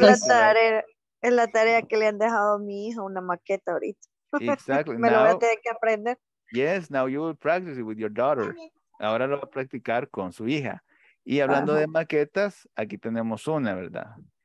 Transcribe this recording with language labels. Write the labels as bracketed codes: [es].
[es] la tarea, es la tarea que le han dejado a mi hijo, una maqueta ahorita. [en] Exactly. [es] Me lo voy a tener que aprender. [en] Yes, now you will practice it with your daughter. [es] Ahora lo va a practicar con su hija. Y hablando de maquetas, aquí tenemos una, ¿verdad?